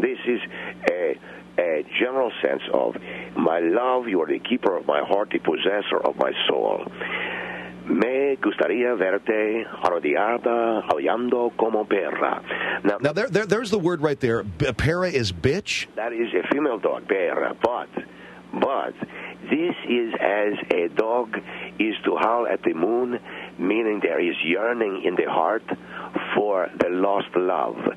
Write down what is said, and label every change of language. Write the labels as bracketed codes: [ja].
[en] This is a general sense of my love. You are the keeper of my heart, the possessor of my soul. [es] Me gustaría verte arrodillada hablando como perra. [en] Now there's the word right there. Perra is bitch. That is a female dog, perra. But this is as a dog is to howl at the moon, meaning there is yearning in the heart for the lost love.